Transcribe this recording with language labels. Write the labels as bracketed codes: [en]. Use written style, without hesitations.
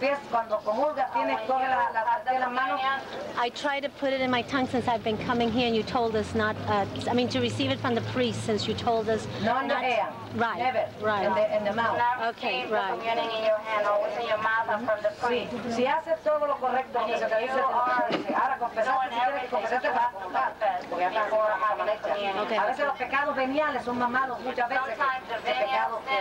[es] Cuando comulgas tienes coge la parte de las manos. [en] I try to put it in my tongue since I've been coming here and you told us not, I mean to receive it from the priest since you told us. No, no, yeah. Right. Never. Right. In the mouth. Okay, right. Communing in your hand, always in your mouth and from the priest. [es] Si haces todo lo correcto, que se te dice, ahora confesaste, porque a veces los pecados veniales son más malos muchas veces que pecados